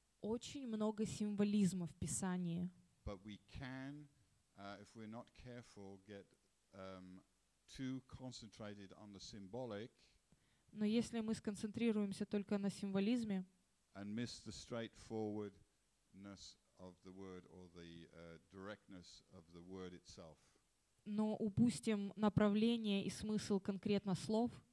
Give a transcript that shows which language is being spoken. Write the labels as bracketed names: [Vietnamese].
[Russian] Очень много символизма в Писании. [English] But we can, if we're not careful, get too concentrated on the symbolic. [Russian] Но если мы сконцентрируемся только на символизме, [English] and miss the straightforwardness of the word or the directness of the word itself. [Russian] Но упустим направление и смысл конкретно слов.